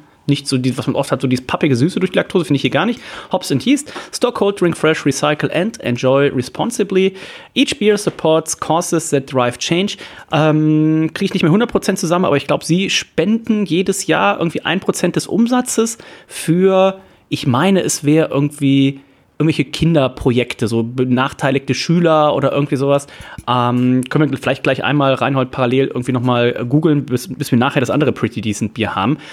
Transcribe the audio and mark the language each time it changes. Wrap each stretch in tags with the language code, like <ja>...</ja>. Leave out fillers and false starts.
<de>nicht so, die, was man oft hat, so dieses pappige Süße durch die Laktose, finde ich hier gar nicht.</de> <en>Hops and Yeast. Stock Cold, Drink Fresh, Recycle and Enjoy Responsibly. Each beer supports causes that drive change.</en> <de>Kriege ich nicht mehr 100% zusammen, aber ich glaube, sie spenden jedes Jahr irgendwie 1% des Umsatzes für, ich meine, es wäre irgendwie irgendwelche Kinderprojekte, so benachteiligte Schüler oder irgendwie sowas. Können wir vielleicht gleich einmal, Reinhold, parallel irgendwie nochmal googeln, bis wir nachher das andere Pretty Decent Bier haben.</de>